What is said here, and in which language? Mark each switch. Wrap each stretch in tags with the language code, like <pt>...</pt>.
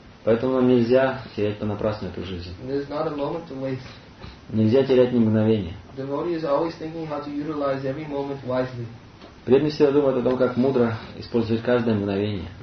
<ru>Поэтому нам нельзя терять понапрасну эту жизнь.</ru> <en>There's not a moment to waste.</en> <ru>Нельзя терять ни мгновение.</ru> <en>Devotee is always thinking how to utilize every moment wisely.</en> <ru>Преданный всегда думает о том, как мудро использовать каждое мгновение.</ru>